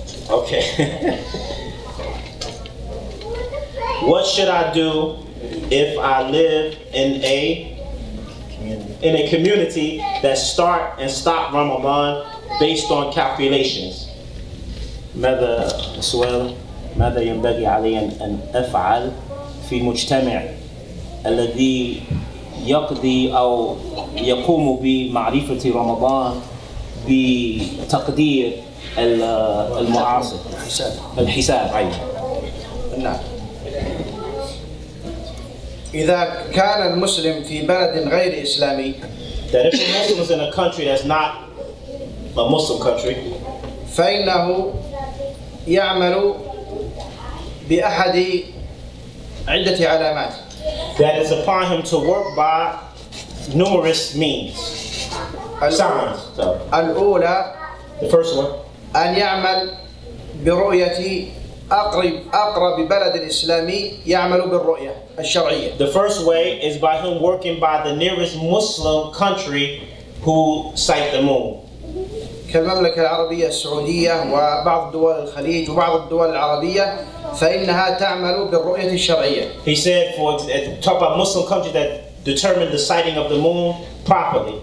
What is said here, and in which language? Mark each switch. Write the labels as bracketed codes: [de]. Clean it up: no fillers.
[en] Okay. What should I do if I live in a community that start and stop Ramadan based on calculations? [ar] ماذا أسوأ ماذا ينبغي علي أن أفعل في مجتمع الذي يقضي أو يقوم بمعرفة رمضان بتقدير المعاصر الحساب أيضا؟ إذا كان المسلم في بلد غير إسلامي. [en] That if a Muslim is in a country that's not a Muslim country. [ar] فإنه يعمل بأحد عدة علامات. [en] That is upon him to work by numerous means. Signs. [ar] الأولى. [en] The first one. [ar] أن يعمل برؤية أقرب بلد إسلامي يعمل بالرؤية الشرعية. [en] The first way is by him working by the nearest Muslim country who sight the moon. [ar] كالمملكة العربية السعودية وبعض دول الخليج وبعض الدول العربية فإنها تعمل بالرؤية الشرعية. [en] He said for talk about Muslim countries that determine the sighting of the moon properly.